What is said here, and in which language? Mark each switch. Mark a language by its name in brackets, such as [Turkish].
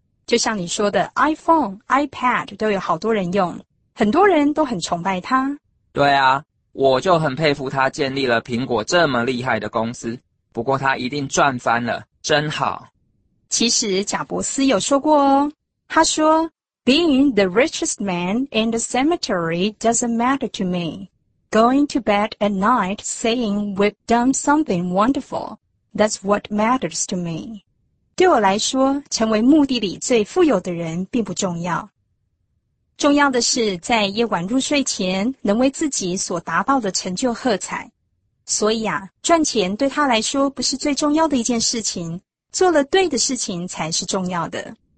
[Chinese] 就像你说的，iPhone、iPad 都有好多人用，很多人都很崇拜他。对啊，我就很佩服他建立了苹果这么厉害的公司。不过他一定赚翻了，真好。其实贾伯斯有说过哦，他说 [English] Being the richest man in the cemetery doesn't matter to me. Going to bed at night saying we've done something wonderful, that's what matters to me. [Chinese] 对我来说，成为墓地里最富有的人并不重要。重要的是在夜晚入睡前能为自己所达到的成就喝彩。所以啊，赚钱对他来说不是最重要的一件事情，做了对的事情才是重要的。